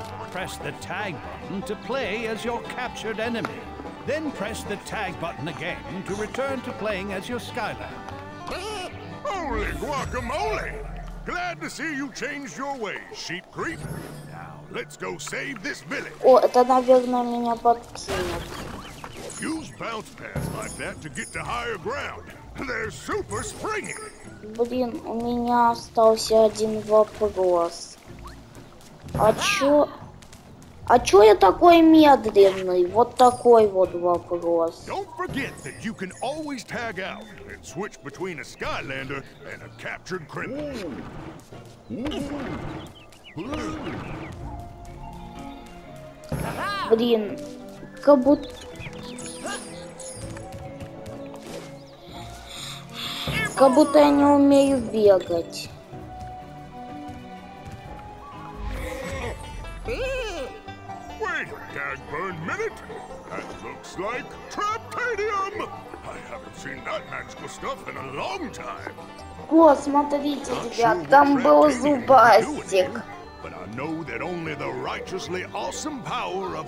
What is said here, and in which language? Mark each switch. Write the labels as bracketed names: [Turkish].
[English] Press the tag button to play as your captured enemy. Then press the tag button again to return to playing as your Skylander. Holy guacamole! Glad to see you changed your ways, Sheep Creep. Now, let's go save this village. [Russian] О, это, наверное, меня подкинет. [English] Use bounce pads like that to get to higher ground. They're super springy. [Russian] Блин, у меня остался один вопрос. А чё я такой медленный? Вот такой вот вопрос. [English] Don't forget that you can always tag out and switch between a Skylander and a captured criminal. Ooh. Ooh. [Russian] Блин, как будто... Как будто я не умею бегать. [English] Wait, Dagburn Minute? That looks like Traptanium! I haven't seen that magical stuff in a long time. [Russian] О, смотрите, ребят, там был зубастик. [English] I know that only the righteously awesome power of